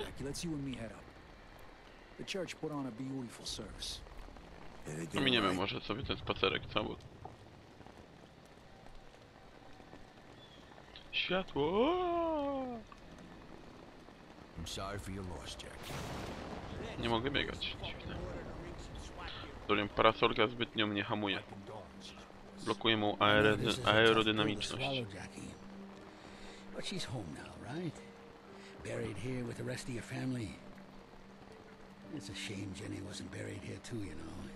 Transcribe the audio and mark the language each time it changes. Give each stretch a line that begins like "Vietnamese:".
English: Jackie, let's you and me head up. The church put on a beautiful service.
Polish: Pominiemy może sobie ten spacerek cały. Światło.
English: I'm sorry for your loss, Jackie.
Polish: Nie mogę biegać. Dorym parasolka zbytnio mnie hamuje. Blokuje mu aerodynamiczność.
English: But she's home now, right? Buried here with the rest of your family. It's a shame Jenny wasn't buried here too, you know.